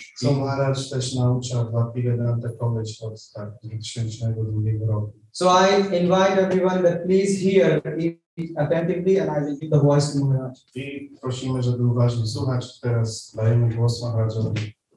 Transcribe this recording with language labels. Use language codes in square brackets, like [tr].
[pl] So Maharaj też naucza Bhakti Vedanta College od 2002 roku. [en] So I invite everyone that please hear it attentively and I will give the voice to Maharaj. [pl] I prosimy, żeby uważnie słuchać. Teraz dajemy głos Maharajowi.